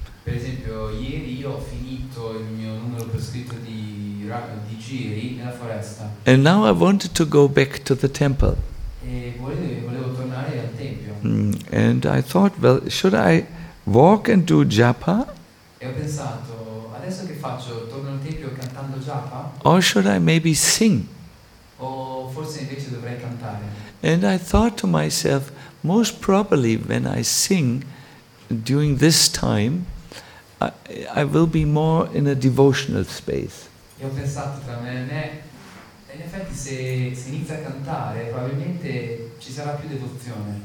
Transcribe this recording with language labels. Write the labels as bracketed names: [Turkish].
[Italian] Per esempio, ieri io ho finito il mio numero prescritto di giri nella foresta. [English] And now I wanted to go back to the temple. [Italian] E volevo tornare al tempio. [English] And I thought, well, should I walk and do japa? [Italian] E ho pensato, adesso che faccio? Torno al tempio cantando japa? [English] Or should I maybe sing? [Italian] O forse invece dovrei cantare. [English] And I thought to myself, most probably when I sing during this time, I will be more in a devotional space. [Italian] Io ho pensato tra me e me, in effetti se si inizia a cantare probabilmente ci sarà più devozione.